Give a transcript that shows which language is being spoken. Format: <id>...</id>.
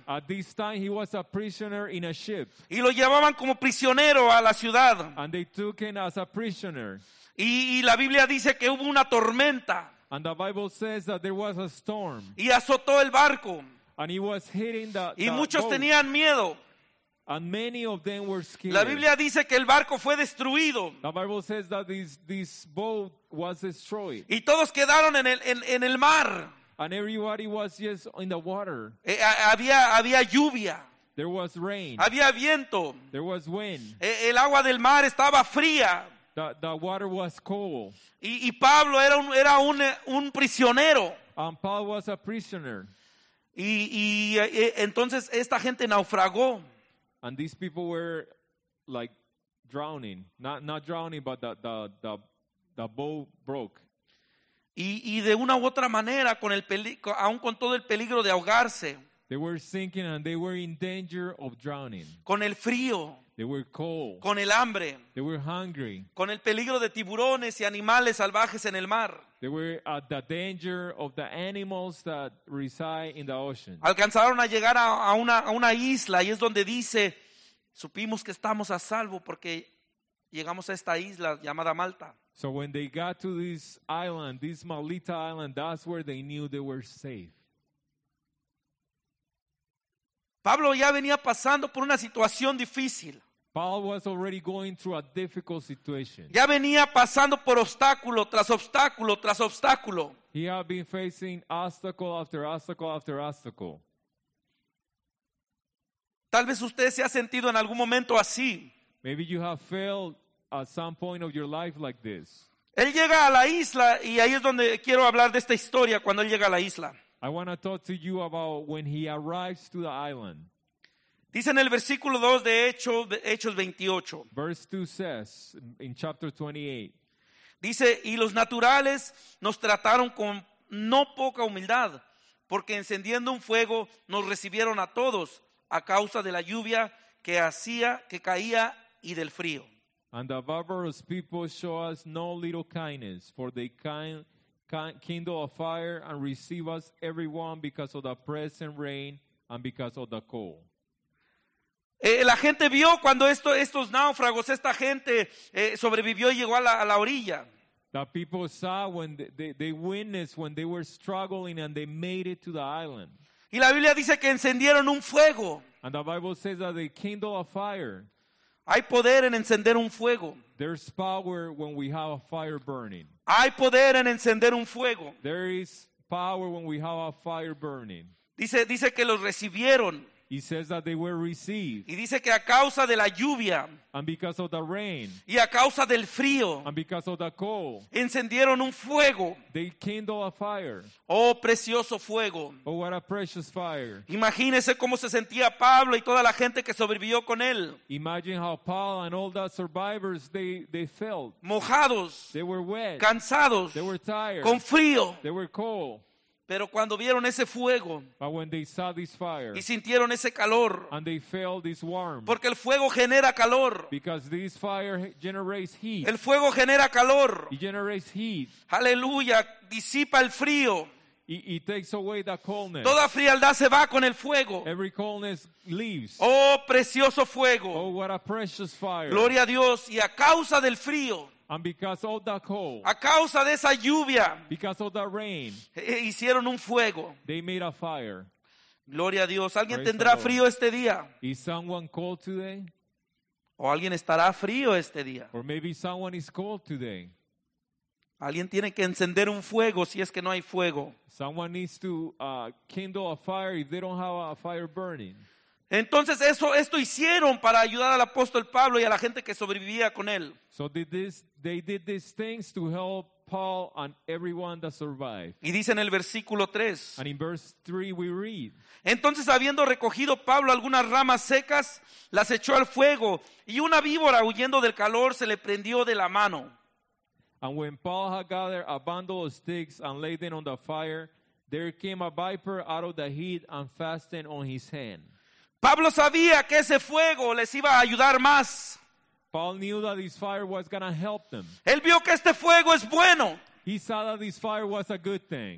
<en>At this time he was a prisoner in a ship.</en> <es>Y lo llevaban como prisionero a la ciudad.</es> <en>And they took him as a prisoner.</en> <es>Y la Biblia dice que hubo una tormenta.</es> <en>And the Bible says that there was a storm.</en> <es>Y azotó el barco.</es> <en>And he was hitting the</en> <es>y muchos</es> <en>boat.</en> <es>Tenían miedo.</es> <en>And many of them were scared.</en> <es>La Biblia dice que el barco fue destruido.</es> <en>The Bible says that this boat was destroyed.</en> <es>Y todos quedaron en el mar.</es> <en>And everybody was just in the water.</en> <es>Había lluvia.</es> <en>There was rain.</en> <es>Había viento.</es> <en>There was wind.</en> <es>El agua del mar estaba fría.</es> <en>The water was cold.</en> <es>Y Pablo era un prisionero.</es> <en>And Paul was a prisoner.</en> <es>Y entonces esta gente naufragó.</es> <en>And these people were like drowning. Not drowning, but the boat broke.</en> <es>Y de una u otra manera, aun con todo el peligro de ahogarse.</es> <en>They were sinking and they were in danger of drowning.</en> <es>Con el frío.</es> <en>They were cold.</en> <es>Con el hambre.</es> <en>They were hungry.</en> <es>Con el peligro de tiburones y animales salvajes en el mar.</es> <en>They were at the danger of the animals that reside in the ocean.</en> <es>Alcanzaron a llegar a una isla y es donde dice, supimos que estamos a salvo porque llegamos a esta isla llamada Malta.</es> <en>So when they got to this island, this Malita island, that's where they knew they were safe.</en> <es>Pablo ya venía pasando por una situación difícil.</es> <en>Paul was already going through a difficult situation.</en> <es>Ya venía pasando por obstáculo tras obstáculo tras obstáculo.</es> <en>He had been facing obstacle after obstacle after obstacle.</en> <es>Tal vez usted se ha sentido en algún momento así.</es> <en>Maybe you have felt at some point of your life like this.</en> <es>Él llega a la isla y ahí es donde quiero hablar de esta historia cuando él llega a la isla.</es> <en>I want to talk to you about when he arrives to the island.</en> <es>Dice en el versículo 2 de Hechos 28.</es> <en>Verse 2 says, in chapter 28.</en> <es>Dice, y los naturales nos trataron con no poca humildad, porque encendiendo un fuego nos recibieron a todos a causa de la lluvia que hacía, que caía y del frío.</es> <en>And the barbarous people show us no little kindness, for they kindle a fire and receive us everyone because of the present rain and because of the cold.</en> <es>La gente vio cuando estos náufragos, esta gente sobrevivió y llegó a la orilla.</es> <en>The people saw when they witnessed when they were struggling and they made it to the island.</en> <es>Y la Biblia dice que encendieron un fuego.</es> <en>And the Bible says that they kindled a fire.</en> <es>Hay poder en encender un fuego.</es> <en>There's power when we have a fire burning.</en> <es>Hay poder en encender un fuego.</es> <en>There is power when we have a fire burning.</en> <es>Dice que los recibieron.</es> <en>He says that they were received.</en> <es>Y dice que a causa de la lluvia.</es> <en>And because of the rain.</en> <es>Y a causa del frío.</es> <en>And because of the cold.</en> <es>Encendieron un fuego.</es> <en>They kindled a fire.</en> <es>Oh, precioso fuego.</es> <en>Oh, what a precious fire.</en> <es>Imagínese cómo se sentía Pablo y toda la gente que sobrevivió con él.</es> <en>Imagine how Paul and all the survivors they felt.</en> <es>Mojados.</es> <en>They were wet.</en> <es>Cansados.</es> <en>They were tired.</en> <es>Con frío.</es> <en>They were cold.</en> <es>Pero cuando vieron ese fuego</es> <en>fire,</en> <es>y sintieron ese calor,</es> <en>and they felt this warmth,</en> <es>porque el fuego genera calor.</es> <en>Because this fire generates heat.</en> <es>El fuego genera calor.</es> <en>It generates heat.</en> <es>Aleluya, disipa el frío.</es> <en>It takes away the coldness.</en> <es>Toda frialdad se va con el fuego.</es> <en>Every coldness leaves.</en> <es>Oh, precioso fuego.</es> <en>Oh, what a precious fire.</en> <es>Gloria a Dios, y a causa del frío.</es> <en>And because of the cold,</en> <es>a causa de esa lluvia,</es> <en>because of the rain,</en> <es>hicieron un fuego.</es> <en>They made a fire.</en> <es>Gloria a Dios. ¿Alguien</es> <en>Praise</en> <es>tendrá frío este día?</es> <en>Is someone cold today?</en> <es>¿O alguien estará frío este día?</es> <en>Or maybe someone is cold today.</en> <es>Alguien tiene que encender un fuego si es que no hay fuego.</es> <en>Someone needs to kindle a fire if they don't have a fire burning.</en> <es>Entonces esto hicieron para ayudar al apóstol Pablo y a la gente que sobrevivía con él.</es> <en>So they did these things to help Paul and everyone that survived.</en> <es>Y dice en el versículo 3.</es> <en>And in verse 3 we read.</en> <es>Entonces habiendo recogido Pablo algunas ramas secas, las echó al fuego y una víbora huyendo del calor se le prendió de la mano.</es> <en>And when Paul had gathered a bundle of sticks and laid them on the fire, there came a viper out of the heat and fastened on his hand.</en> <es>Pablo sabía que ese fuego les iba a ayudar más.</es> <en>Paul knew that this fire was going to help them.</en> <es>Él vio que este fuego es bueno.</es> <en>He saw that this fire was a good thing.</en>